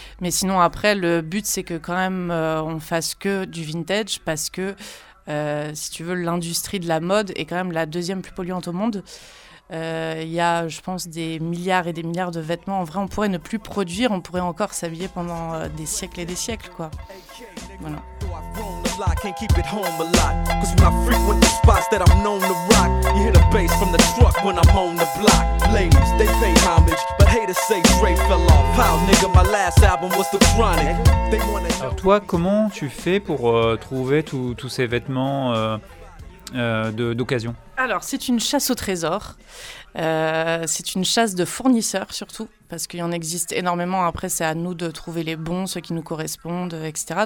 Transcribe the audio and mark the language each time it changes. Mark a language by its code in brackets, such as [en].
[fr] Mais sinon, après, le but, c'est que quand même, on fasse que du vintage parce que, si tu veux, l'industrie de la mode est quand même la deuxième plus polluante au monde. Il y a, je pense, des milliards et des milliards de vêtements. En vrai, on pourrait ne plus produire, on pourrait encore s'habiller pendant des siècles et des siècles, quoi. Voilà. [en] I can't keep it home a lot, 'cause when I frequent the spots that I'm known to rock, you hear the bass from the truck when I'm on the block. Ladies, they pay homage, but haters say Dre fell off. Pow, nigga, my last album was The Chronic. [fr] Alors toi, comment tu fais pour trouver tous ces vêtements d'occasion? Alors, c'est une chasse au trésor. C'est une chasse de fournisseurs surtout, parce qu'il y en existe énormément. Après, c'est à nous de trouver les bons, ceux qui nous correspondent, etc.